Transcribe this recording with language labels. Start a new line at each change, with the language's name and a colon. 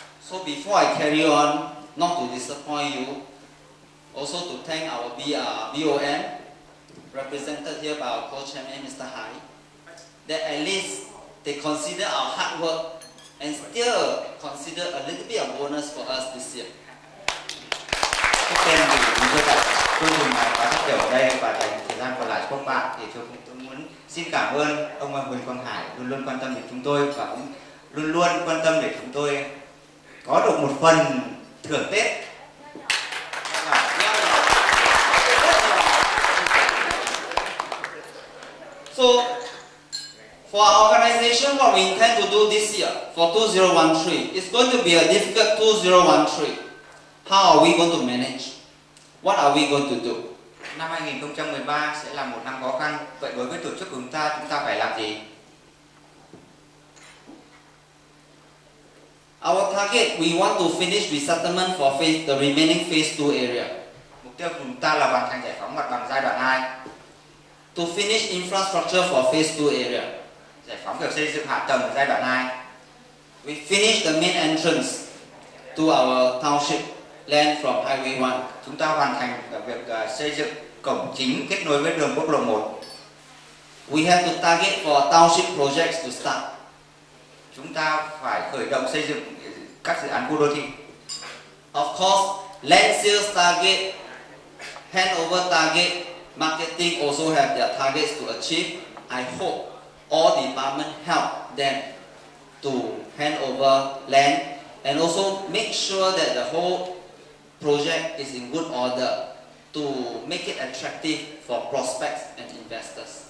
English: So before I carry on, not to disappoint you, also to thank our BOM, represented here by our co-chairman Mr. Hai, that at least they consider our hard work and still consider a little bit of bonus for us this year.
Vietnamese: Trước tiên thì chúng tôi đã chương trình này và phát biểu ở đây và dành thời gian còn lại cho các bạn thì tôi muốn xin cảm ơn ông Huỳnh Quang Hải luôn luôn quan tâm đến chúng tôi và cũng luôn luôn quan tâm để chúng tôi có được một phần thưởng Tết.
English: So, for our organization, what we intend to do this year for 2013, it's going to be a difficult 2013. How are we going to manage? What are we going to do?
Vietnamese: Năm 2013 sẽ là một năm khó khăn. Vậy đối với tổ chức của chúng ta phải làm gì?
English: Our target, we want to finish resettlement for the remaining phase 2 area.
Vietnamese: Mục tiêu của chúng ta là hoàn thành giải phóng mặt bằng giai đoạn 2.
English: To finish infrastructure for phase 2 area.
Vietnamese: Giải phóng việc xây dựng hạ tầng giai đoạn 2.
English: We finish the main entrance to our township land from Highway 1.
Vietnamese: Chúng ta hoàn thành việc xây dựng cổng chính kết nối với đường quốc lộ 1.
English: We have to target for township projects to start.
Vietnamese: Chúng ta phải khởi động xây dựng các dự án khu đô thị.
English: Of course, land sales target, handover target, marketing also have their targets to achieve. I hope all department help them to hand over land and also make sure that the whole project is in good order to make it attractive for prospects and investors.